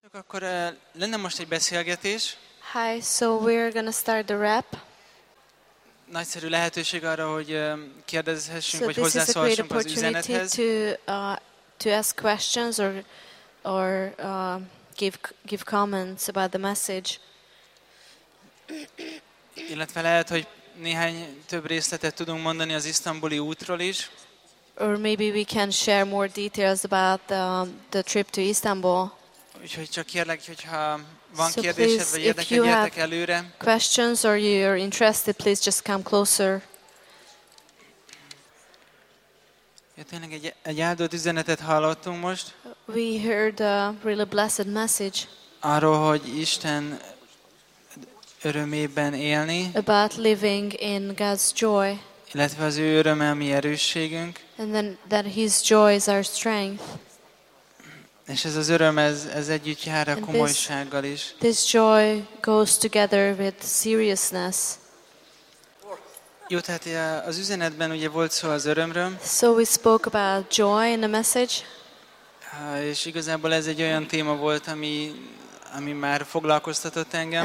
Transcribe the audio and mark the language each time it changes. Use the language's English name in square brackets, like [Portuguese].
[Hungarian] Akkor lenne most egy beszélgetés. [English] Hi, so we're gonna start the rap. [Hungarian] Nagyszerű lehetőség arra, hogy kérdezhessünk, vagy hozzászólhassunk az üzenethez. [English] To ask questions or give comments about the message. [Hungarian] Illetve lehet, hogy néhány több részletet tudunk mondani az isztambuli útról is. [English] Or maybe we can share more details about the trip to Istanbul. [Hungarian] Úgyhogy csak kérlek, hogyha van kérdésed, vagy érdekel, gyertek előre. [English] Questions or you're interested, please just come closer. [Hungarian] Ja, tényleg egy áldott üzenetet hallottunk most. [English] We heard a really blessed message. [Hungarian] Arról, hogy Isten örömében élni. [English] About living in God's joy. [Hungarian] Illetve az ő öröme a mi erősségünk. [English] And then that his joy is our strength. [Hungarian] És ez az öröm, ez együtt jár a komolysággal is. [English] This joy goes together with seriousness. [Hungarian] Jó, tehát az üzenetben ugye volt szó az örömről. [English] So we spoke about joy in the message. [Hungarian] És igazából ez egy olyan téma volt, ami már foglalkoztatott engem.